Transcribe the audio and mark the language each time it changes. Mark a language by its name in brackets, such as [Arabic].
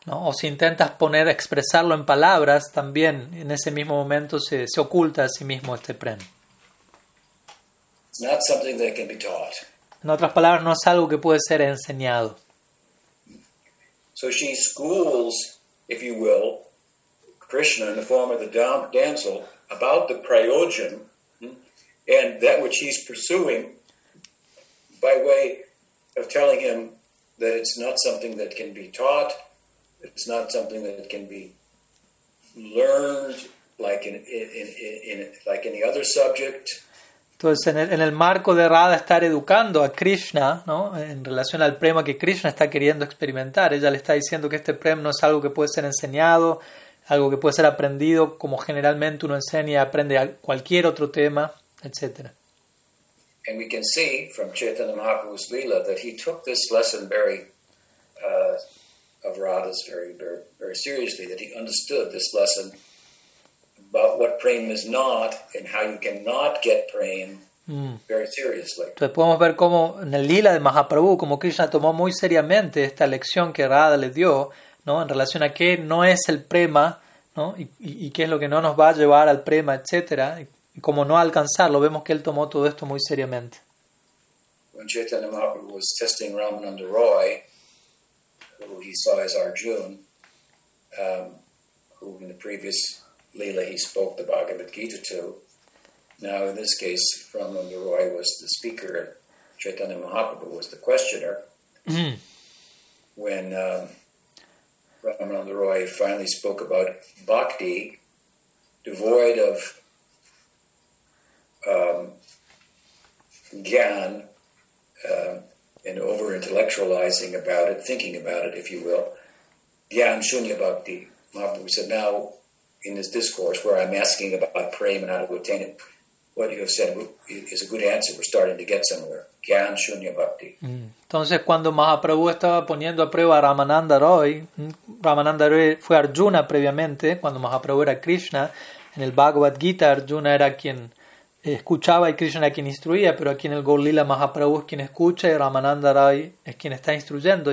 [Spanish] ¿No? O si intentas poner, expresarlo en palabras, también en ese mismo momento se oculta a sí mismo este prem. [English] It's not something that can be taught. [Spanish] En otras palabras, no es algo que puede ser enseñado. [English] So she schools, if you will, Krishna in the form of the damsel about the prayojan and that which he's pursuing by way of telling him that it's not something that can be taught, it's not something that can be learned like in any other subject. [Spanish] Entonces, en el marco de Radha estar educando a Krishna, ¿no?, en relación al prema que Krishna está queriendo experimentar, ella le está diciendo que este prema no es algo que puede ser enseñado, algo que puede ser aprendido, como generalmente uno enseña y aprende a cualquier otro tema, etc. [English] And we can see from Chaitanya Mahaprabhu's Lila that he took this lesson of Radha's very, very, very seriously, that he understood this lesson about what prema is not and how you cannot get prema very seriously. [Spanish] Entonces podemos ver cómo en el Lila de Mahaprabhu, como Krishna tomó muy seriamente esta lección que Radha le dio, ¿no?, en relación a qué no es el prema, ¿no?, y qué es lo que no nos va a llevar al prema, etc. Y cómo no alcanzarlo, vemos que él tomó todo esto muy seriamente. [English] When Chaitanya Mahaprabhu was testing Ramananda Roy, who he saw as Arjuna, who in the previous Lila he spoke the Bhagavad Gita to. Now in this case, Ramananda Roy was the speaker, and Chaitanya Mahaprabhu was the questioner. When Ramananda Roy finally spoke about bhakti, devoid of gyan, and over-intellectualizing about it, thinking about it, if you will, gyan shunya bhakti, Mahaprabhu said, now, in this discourse where I'm asking about prema and how to attain it, what you have said is a good answer. We're starting to get somewhere. Gyan shunya bhakti. [Spanish] Entonces, cuando Mahaprabhu estaba poniendo a prueba a Ramananda Roy fue Arjuna previamente, cuando Mahaprabhu era Krishna, en el Bhagavad Gita, Arjuna era quien escuchaba y Krishna era quien instruía, pero aquí en el Gaur-lila Mahaprabhu es quien escucha y Ramananda Roy es quien está instruyendo.